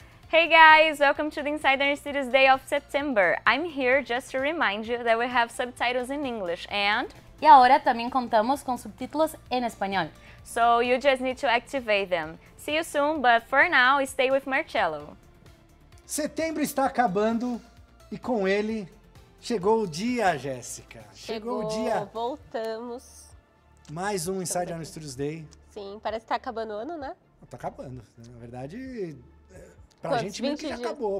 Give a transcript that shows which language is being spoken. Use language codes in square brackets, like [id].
[en] Hey guys, welcome to the Insider Studios Day of September. I'm here just to remind you that we have subtitles in English and... [pt] E agora também contamos com subtítulos em espanhol. [en] So you just need to activate them. See you soon, but for now, stay with Marcello. [pt] Setembro está acabando e com ele chegou o dia, Jéssica. Chegou o dia. Voltamos. Mais um Insider Studios Day. Sim, parece que está acabando o ano, né? Está acabando. Na verdade... Pra quantos? Gente meio que já acabou,